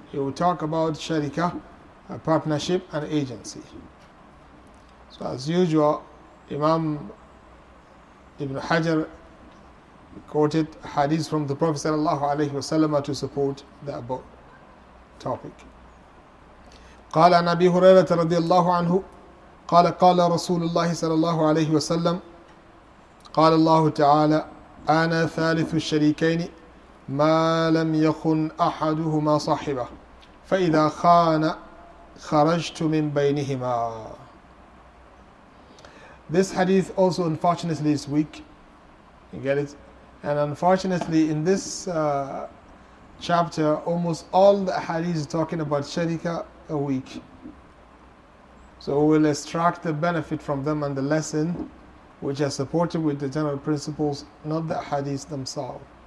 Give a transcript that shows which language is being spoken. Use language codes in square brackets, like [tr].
[en] It will talk about sharika, a partnership, and agency. So as usual, Imam Ibn Hajar quoted hadith from the Prophet sallallahu alayhi wa sallam to support the above topic. [ar] قال عن أبي هريرة رضي الله عنه قال قال رسول الله صلى الله عليه وسلم قال الله تعالى أنا ثالث الشريكين ما لم يخن أحدهما صاحبه فإذا خان خرجت من بينهما. [en] This hadith also unfortunately is weak. You get it? And unfortunately in this chapter almost all the hadith is talking about sharika are weak. So we'll extract the benefit from them and the lesson which are supported with the general principles, not the hadith themselves.